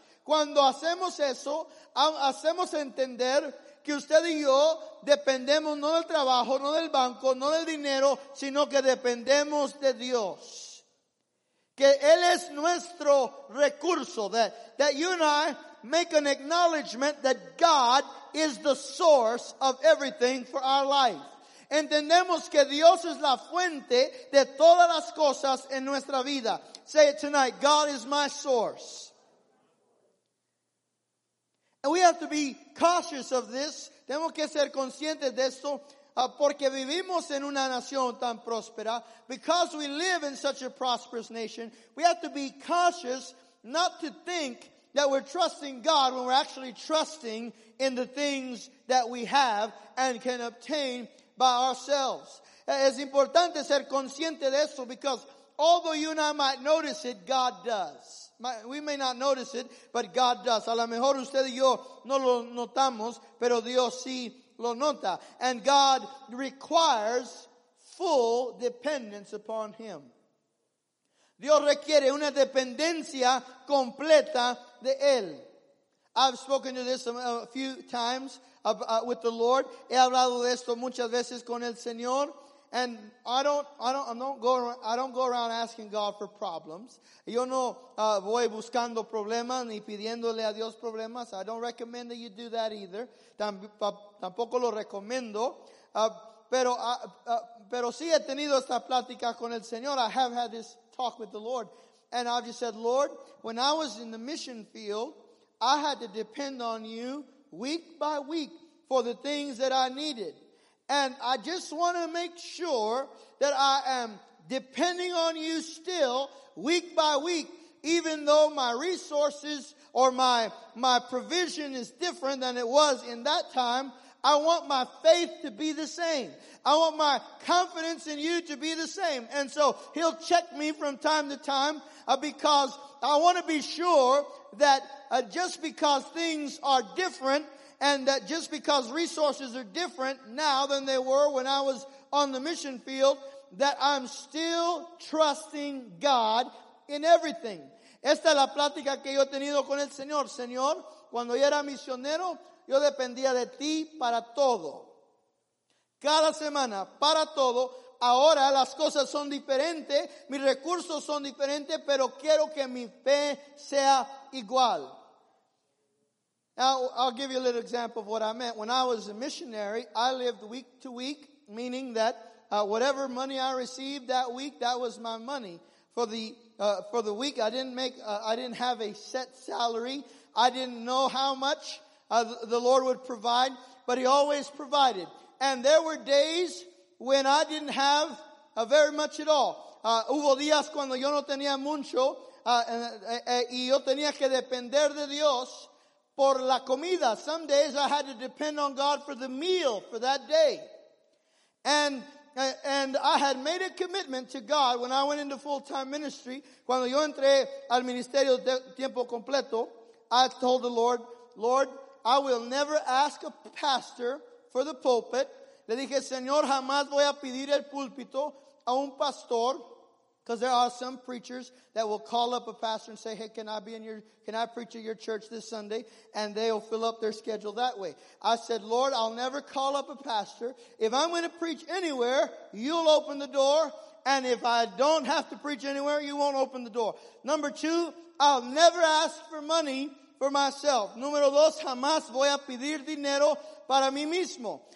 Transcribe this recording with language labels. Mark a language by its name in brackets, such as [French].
[Spanish] Cuando hacemos eso, hacemos entender que usted y yo dependemos no del trabajo, no del banco, no del dinero, sino que dependemos de Dios. Que Él es nuestro recurso. [English] That you and I make an acknowledgement that God is the source of everything for our life. [Spanish] Entendemos que Dios es la fuente de todas las cosas en nuestra vida. [English] Say it tonight. God is my source. And we have to be cautious of this. [Spanish] Tenemos que ser conscientes de esto. Porque vivimos en una nación tan próspera. [English] Because we live in such a prosperous nation. We have to be cautious not to think that we're trusting God when we're actually trusting in the things that we have and can obtain by ourselves. [Spanish] Es importante ser consciente de esto, [English] because although you and I might notice it, God does. We may not notice it, but God does. [Spanish] A lo mejor usted y yo no lo notamos, pero Dios sí lo nota. [English] And God requires full dependence upon Him. [Spanish] Dios requiere una dependencia completa de Él. [English] I've spoken to this a few times with the Lord. [Spanish] He hablado de esto muchas veces con el Señor. [English] And I don't go around asking God for problems. [Spanish] Yo no voy buscando problemas ni pidiéndole a Dios problemas. [English] I don't recommend that you do that either. [Spanish] Tampoco lo recomiendo. Pero sí he tenido esta plática con el Señor. [English] I have had this talk with the Lord. And I've just said, Lord, when I was in the mission field, I had to depend on You week by week for the things that I needed. And I just want to make sure that I am depending on You still week by week, even though my resources or my provision is different than it was in that time. I want my faith to be the same. I want my confidence in You to be the same. And so He'll check me from time to time because I want to be sure that just because things are different, and that just because resources are different now than they were when I was on the mission field, that I'm still trusting God in everything. [Spanish] Esta es la plática que yo he tenido con el Señor. Señor, cuando yo era misionero, yo dependía de Ti para todo. Cada semana, para todo. Ahora las cosas son diferentes, mis recursos son diferentes, pero quiero que mi fe sea igual. [English] I'll give you a little example of what I meant. When I was a missionary, I lived week to week, meaning that whatever money I received that week, that was my money for the week. I didn't have a set salary. I didn't know how much the Lord would provide, but He always provided. And there were days when I didn't have very much at all. [Spanish] Hubo días cuando yo no tenía mucho, y yo tenía que depender de Dios por la comida. [English] Some days I had to depend on God for the meal for that day. And I had made a commitment to God when I went into full-time ministry. [Spanish] Cuando yo entré al ministerio de tiempo completo, [English] I told the Lord, Lord, I will never ask a pastor for the pulpit. [Spanish] Le dije, Señor, jamás voy a pedir el púlpito a un pastor. [English] Because there are some preachers that will call up a pastor and say, hey, can I preach at your church this Sunday? And they'll fill up their schedule that way. I said, Lord, I'll never call up a pastor. If I'm going to preach anywhere, You'll open the door. And if I don't have to preach anywhere, You won't open the door. Number two, I'll never ask for money for myself. [Spanish] Número dos, jamás voy a pedir dinero para mí mismo.